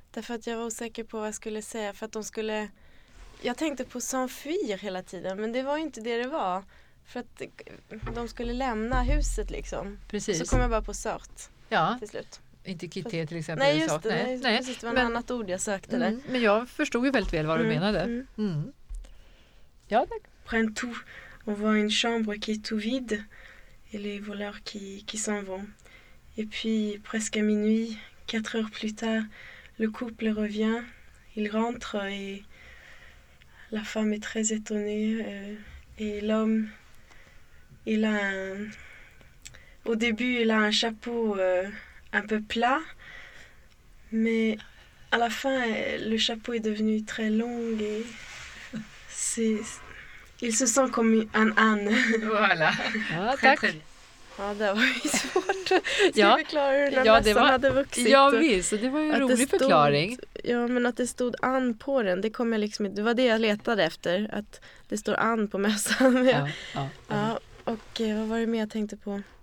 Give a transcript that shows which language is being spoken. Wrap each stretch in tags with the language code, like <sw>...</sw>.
<sv>Därför att jag var osäker på vad jag skulle säga. För att de skulle... Jag tänkte på s'enfuir hela tiden. Men det var ju inte det var. För att de skulle lämna huset liksom. Precis. Så kom jag bara på sort. Ja. Till slut. Inte kitté till exempel. Nej, just det. Nej. Precis, det var ett annat ord jag sökte där. Men jag förstod ju väldigt väl vad du menade. Ja, tack.</sv> <fr>Prend tout. On voit une chambre qui est tout vide. Et les voleurs qui s'en vont. Et puis, presque à minuit... 4 heures plus tard, le couple revient, il rentre et la femme est très étonnée et l'homme, il a au début, il a un chapeau un peu plat, mais à la fin, le chapeau est devenu très long et il se sent comme un âne. Voilà, très bien.</fr> <sv>Ja, det var ju svårt. Ska vi förklara hur den hade vuxit? Ja, visst. Det var ju en rolig förklaring. Ja, men att det stod an på den, det kom jag liksom, det var det jag letade efter. Att det står an på mässan. Ja. Och vad var det mer jag tänkte på?</sv>